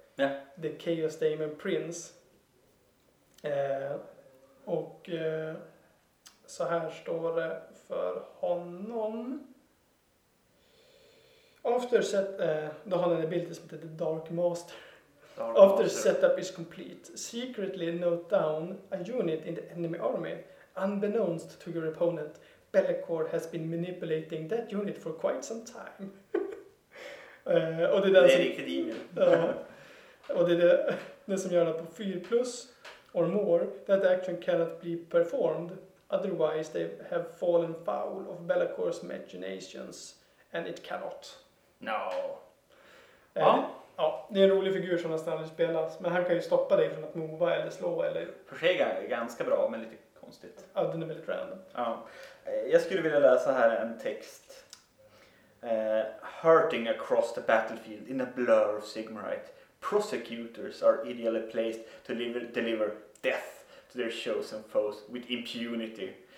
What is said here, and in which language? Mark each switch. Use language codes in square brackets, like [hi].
[en] Yeah. The Chaos Daemon Prince. [sv] Och så här står det för honom. [en] After set, [sv] då har han en bild som heter The Dark Master. [en] After setup is complete. Secretly note down a unit in the enemy army. Unbeknownst to your opponent, Bellacor has been manipulating that unit for quite some time. [sv] Och det är som, riktigt emil. Och det är det som gör att på [en] 4 plus or more that the action cannot be performed otherwise they have fallen foul of Bellacor's machinations and it cannot. No. [sv] Ja. Ja, det är en rolig figur som nästan aldrig spelas. Men han kan ju stoppa dig från att mova eller slå. Eller... För sig är ganska bra, men lite konstigt. Ja, den är väldigt random. Ja. Jag skulle vilja läsa här en text. [en] Hurting across the battlefield in a blur of Sigmarite. Prosecutors are ideally placed to deliver death to their chosen foes with impunity.